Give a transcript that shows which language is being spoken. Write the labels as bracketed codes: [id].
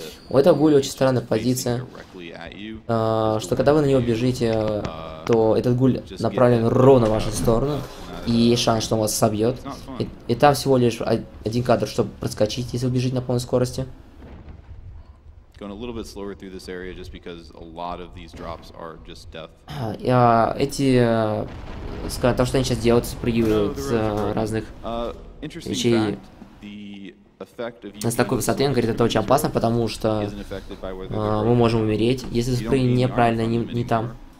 [ru] У этого гуля очень странная позиция, что когда вы на него бежите, то этот гуль направлен ровно в вашу сторону, и есть шанс, что он вас собьет. И там всего лишь один кадр, чтобы проскочить, если вы бежите на полной скорости. [en] Going a little bit slower through this area just because a lot of these drops are just death. [ru] Эти, скажем, то, что они сейчас делают, спрыгивают с разных вещей. С такой высоты, он говорит, это очень опасно, потому что мы можем умереть, если спрыгнем неправильно, не там.